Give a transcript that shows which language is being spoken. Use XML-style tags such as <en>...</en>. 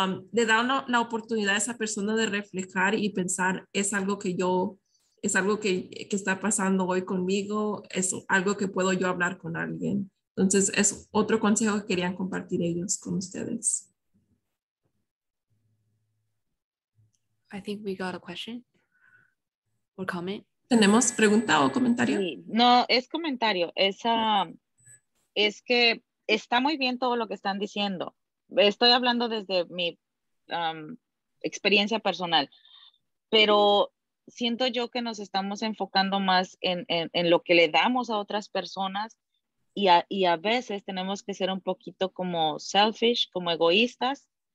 <es>Le da la oportunidad a esa persona de reflejar y pensar, es algo que está pasando hoy conmigo, es algo que puedo yo hablar con alguien. Entonces, es otro consejo que querían compartir ellos con ustedes.</es> <en>I think we got a question or comment.</en> <es>¿Tenemos pregunta o comentario? Sí. No, es comentario. Es que está muy bien todo lo que están diciendo. Estoy hablando desde mi experiencia personal, pero siento yo que nos estamos enfocando más en lo que le damos a otras personas y a veces tenemos que ser un poquito como selfish, como egoístas,</es>